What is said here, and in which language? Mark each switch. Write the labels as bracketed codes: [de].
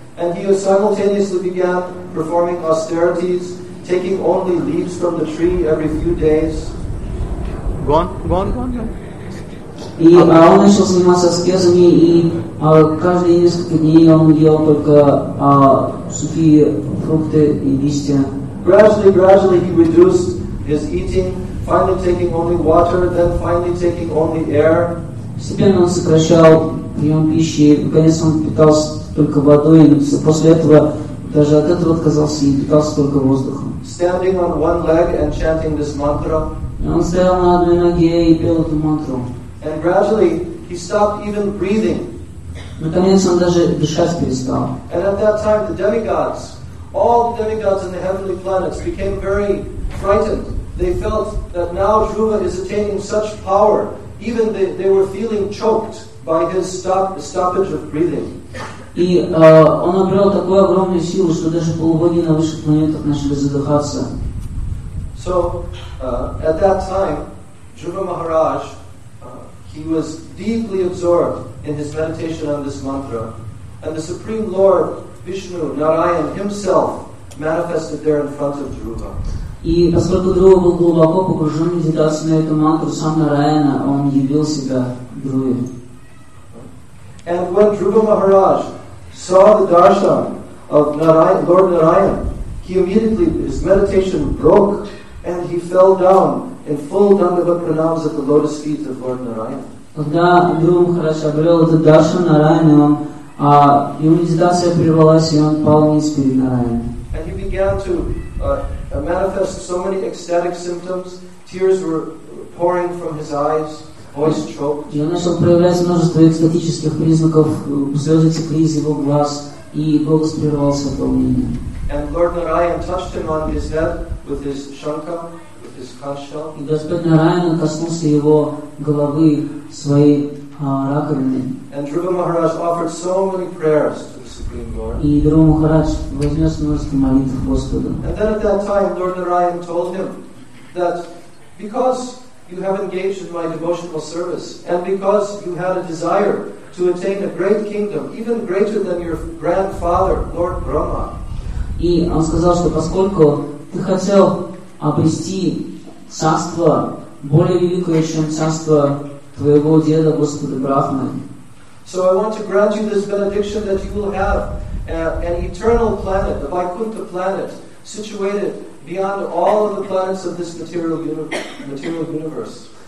[en] And he simultaneously began performing austerities, taking only leaves from the tree every few days. Go on. [ru] И он начал заниматься аскезами, и каждые несколько дней он ел только сухие фрукты и листья. [en] Gradually he reduced his eating, finally taking only water, then finally taking only air. [ru] Постепенно он сокращал прием пищи, наконец он питался только водой, и после этого даже от этого отказался и питался только воздухом. [en] Standing on one leg and chanting this mantra. [ru] Он стоял на одной ноге и пел эту мантру. [en] And gradually he stopped even breathing. [ru] Наконец он даже дышать перестал. [en] And at that time the demigods, all the demigods in the heavenly planets became very frightened. They felt that now Dhruva is attaining such power. Even they were feeling choked by his stoppage of breathing. [ru] И он обрел такую огромную силу, что даже полубоги на высших планетах начали задыхаться. [en] So at that time, Dhruva Maharaj, he was deeply absorbed in his meditation on this mantra, and the Supreme Lord Vishnu Narayan himself manifested there in front of Dhruva. [ru] И поскольку Друва был глубоко погружен в медитацию на эту мантру, сам Нараяна, он явил себя Друве. [en] And when Dhruva Maharaj saw the darshan of Lord Narayan, he immediately, his meditation broke, and he fell down in full Dandava pranams at the lotus feet of Lord Narayan. [ru] Когда Друва Махарадж обрел этот даршан Нараяна, его медитация прервалась, и он пал ниц перед Нараяной. [en] And he began to manifest so many ecstatic symptoms. Tears were pouring from his eyes. Voice choked. [ru] И он начал проявлять множество экстатических признаков. Слезы текли из его глаз, и голос прервался от волнения. [en] And Lord Narayan touched him on his head with his shankha, with his conch shell. [ru] И Господь Нараяна коснулся его головы своей раковиной. [en] And Dhruva Maharaj offered so many prayers. [ru] И Дрова Махарадж вознес множество молитв Господу. [en] And then at that time, Lord Narayan told him that because you have engaged in my devotional service and because you had a desire to attain a great kingdom, even greater than your grandfather, Lord Brahma. [ru] И он сказал, что поскольку ты хотел обрести царство более великое, чем царство твоего деда Господа Брахмы. [en] So I want to grant you this benediction that you will have an eternal planet, the Vaikuntha planet, situated beyond all of the planets of this material universe.